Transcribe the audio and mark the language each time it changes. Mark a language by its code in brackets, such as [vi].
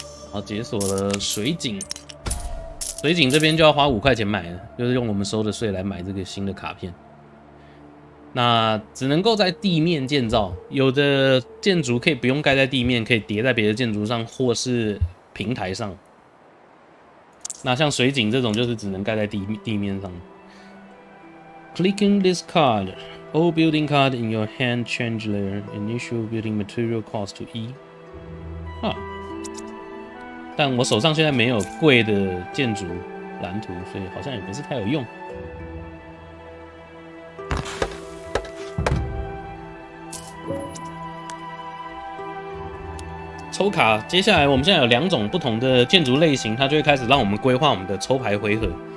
[zh] 好，解锁了水井。水井这边就要花五块钱买了，就是用我们收的税来买这个新的卡片。那只能够在地面建造，有的建筑可以不用盖在地面，可以叠在别的建筑上或是平台上。那像水井这种就是只能盖在地面上。 [en] Clicking this card, all building card in your hand change the initial building material cost to 1. [zh] 哈。但我手上现在没有贵的建筑蓝图，所以好像也不是太有用。抽卡，接下来我们现在有两种不同的建筑类型，它就会开始让我们规划我们的抽牌回合。